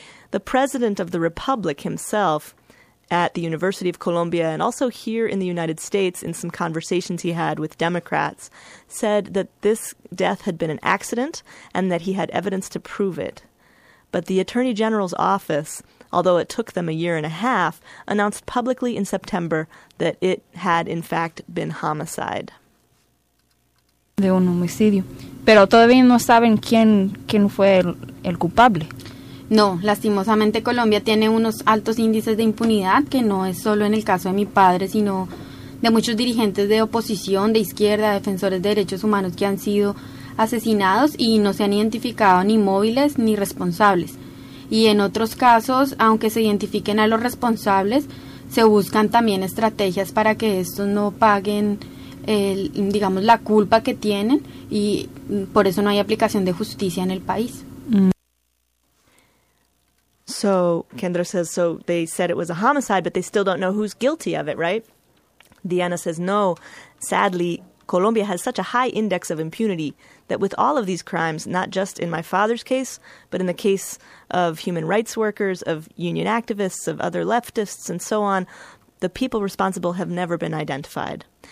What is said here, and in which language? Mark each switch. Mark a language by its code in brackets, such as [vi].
[en] The president of the Republic himself, at the University of Colombia and also here in the United States in some conversations he had with Democrats, said that this death had been an accident and that he had evidence to prove it. But the Attorney General's office, although it took them a year and a half, announced publicly in September that it had in fact been homicide. [es] De un homicidio. Pero todavía no saben quién fue el culpable. No, lastimosamente Colombia tiene unos altos índices de impunidad, que no es solo en el caso de mi padre, sino de muchos dirigentes de oposición, de izquierda, defensores de derechos humanos que han sido asesinados y no se han identificado ni móviles ni responsables. Y en otros casos, aunque se identifiquen a los responsables, se buscan también estrategias para que estos no paguen digamos, la culpa que tienen, y por eso no hay aplicación de justicia en el país. [en] So, Kendra says, so they said it was a homicide, but they still don't know who's guilty of it, right? Diana says, no. Sadly, Colombia has such a high index of impunity that with all of these crimes, not just in my father's case, but in the case of human rights workers, of union activists, of other leftists, and so on, the people responsible have never been identified.